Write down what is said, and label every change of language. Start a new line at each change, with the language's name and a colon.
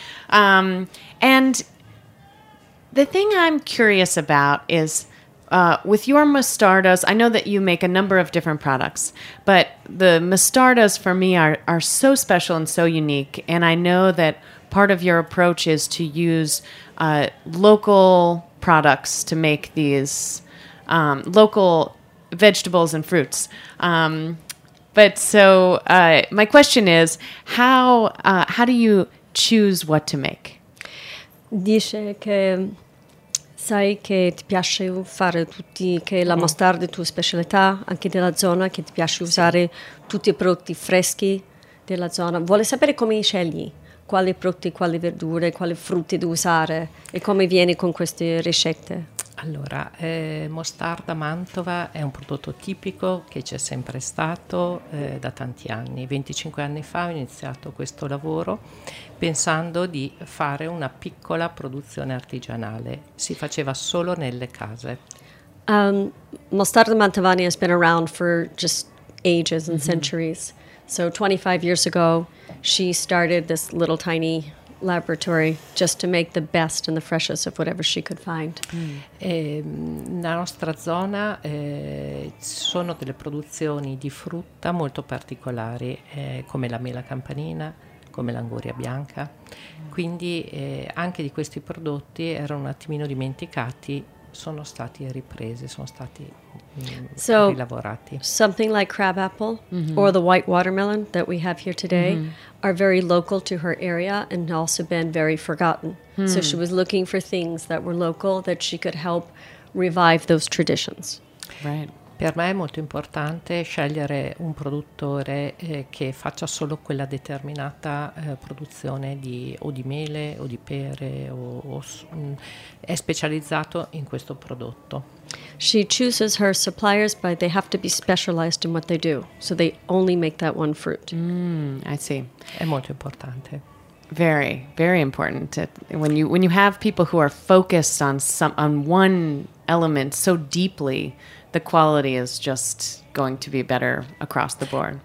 English: And the thing I'm curious about is, with your mostardas, I know that you make a number of different products, but the mostardas for me are so special and so unique, and I know that part of your approach is to use local products to make these local vegetables and fruits. But my question is, how do you choose what to make?
Italian: Dice che sai che ti piace fare tutti, che la mostarda è tua specialità, anche della zona, che ti piace usare tutti i prodotti freschi della zona. Vuole sapere come scegli quali prodotti, quali verdure, quali frutti da usare e come vieni con queste ricette. Allora, mostarda Mantova è un prodotto tipico che c'è sempre stato da tanti anni. 25 anni fa ho iniziato questo lavoro pensando di fare una piccola produzione artigianale. Si faceva solo nelle case.
English: Mostarda Mantovani has been around for just ages and centuries. So 25 years ago, she started this little tiny laboratory just to make the best and the freshest of whatever she could find.
Italian: Nella nostra zona sono delle produzioni di frutta molto particolari, come la mela campanina, come l'anguria bianca. Quindi anche di questi prodotti erano un attimino dimenticati, sono stati ripresi, sono stati rilavorati.
English: So something like crab apple or the white watermelon that we have here today are very local to her area and also been very forgotten. So she was looking for things that were local that she could help revive those traditions. Right.
Italian: Per me è molto importante scegliere un produttore che faccia solo quella determinata produzione di mele o di pere o è specializzato in questo prodotto.
English: She chooses her suppliers, but they have to be specialized in what they do, so they only make that one fruit. I see.
Italian: È molto importante.
English: Very, very important. When you have people who are focused on one element so deeply, the quality is just going to be better across the board.